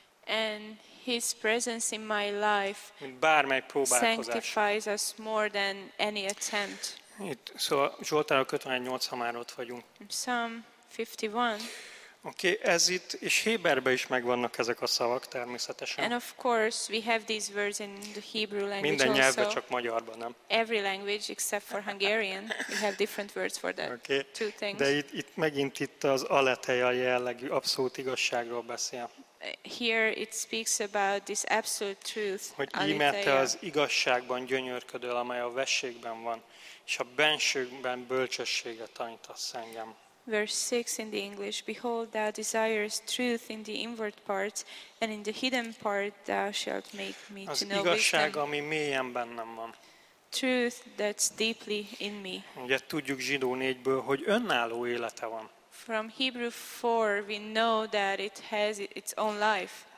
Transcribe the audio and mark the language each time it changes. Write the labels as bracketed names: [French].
[English] And his presence in my life sanctifies us more than any attempt. [Hungarian] Itt, szóval Zsoltárok 51-8, ha már ott vagyunk. [English] Psalm 51. [Hungarian] Oké, ez itt, és Héberben is megvannak ezek a szavak természetesen. [English] And of course we have these words in the Hebrew language. [Hungarian] Minden nyelvben, csak magyarban nem. [English] Every language except for Hungarian, we have different words for that. Okay. Two things. [Hungarian] De itt megint itt az aletheia jellegű abszolút igazságról beszél. [English] Here it speaks about this absolute truth. [Hungarian] Hogy íme te az igazságban gyönyörködöl, amely a vességben van, és a bensőkben bölcsességet tanítasz engem. [English] Verse 6 in the English: Behold, thou desirest truth in the inward parts, and in the hidden part thou shalt make me to know wisdom. [Hungarian] Az igazság, ami mélyen bennem van. [English] Truth that's deeply in me. [Hungarian] Ugye tudjuk Zsidó 4-ből, hogy önálló élete van. [English] From Hebrew 4 we know that it has its own life.